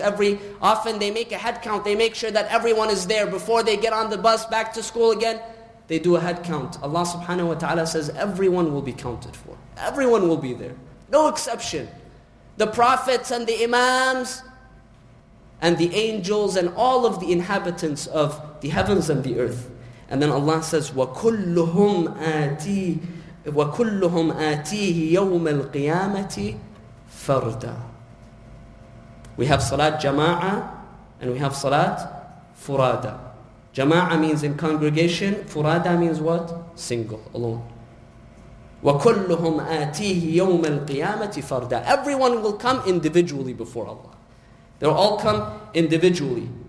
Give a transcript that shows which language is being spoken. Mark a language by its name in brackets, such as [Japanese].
[English] Often they make a head count. They make sure that everyone is there before they get on the bus back to school again. They do a head count. Allah subhanahu wa ta'ala says, everyone will be counted for. Everyone will be there. No exception. The prophets and the imams and the angels and all of the inhabitants of the heavens and the earth. And then Allah says, [Arabic] وَكُلُّهُمْ آتِيهِ يَوْمَ الْقِيَامَةِ فَرْدًا. [English] We have salat jama'ah and we have salat furada. Jama'ah means in congregation, furada means what? Single, alone. [Arabic] وَكُلُّهُمْ آتِيهِ يَوْمَ الْقِيَامَةِ فَرْدًا. [English] Everyone will come individually before Allah. They'll all come individually.